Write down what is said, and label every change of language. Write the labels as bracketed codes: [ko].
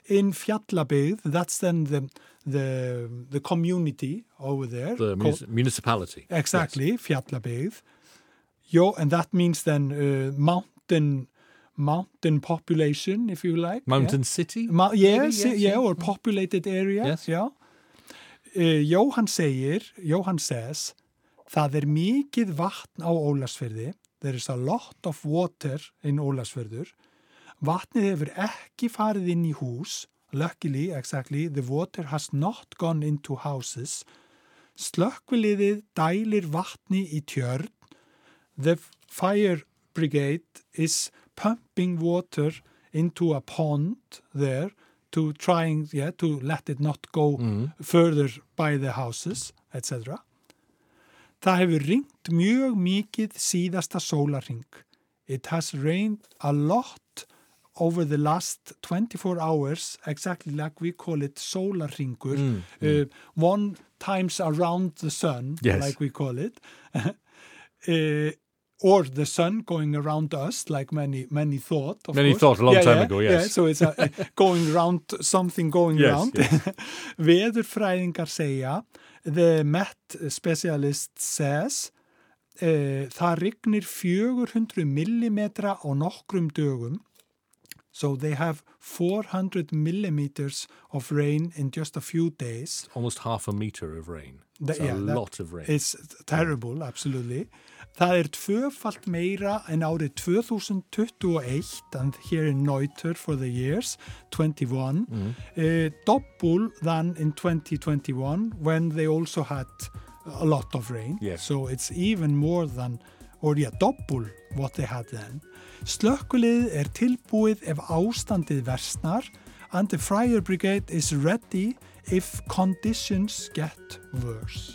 [en] In Fjallabyggð, that's then the community over there. The municipality. Exactly, yes. Fjallabyggð. Jo, and that means then mountain population, if you like. Mountain city? Or populated area. Yes. [is] Jóhann says, það mikið vatn á Ólafsfirði. [en] There is a lot of water in Ólafsfirður. [is] Vatnið hefur ekki farið inn í hús. [en] Luckily, exactly, the water has not gone into houses. [is] Slökkviliðið dælir vatni í tjörn. [en] The fire brigade is pumping water into a pond there to trying to let it not go further by the houses, etc. [is] Það hefur rignt mjög mikið síðasta sólarhring. [en] It has rained a lot over the last 24 hours, exactly like we call it sólarhringur. Mm. One times around the sun, like we call it. Or the sun going around us, like many thought. Many thought a long time ago. So it's going around, something going around. [is] Veðurfræðingar segja, [en] the Met specialist says, [is] það rignir 400 millimetra á nokkrum dögum. [en] So they have 400 millimeters of rain in just a few days. Almost half a meter of rain. It's a lot of rain. It's terrible, absolutely. [is] Það tvöfalt meira en árið 2021, [en] and here in Neuter for the years, 21. Mm. Double than in 2021, when they also had a lot of rain. Yes. So it's even more than, or yeah, double what they had then. [is] Slökkulið tilbúið ef ástandið versnar, [en] and the fire brigade is ready if conditions get worse.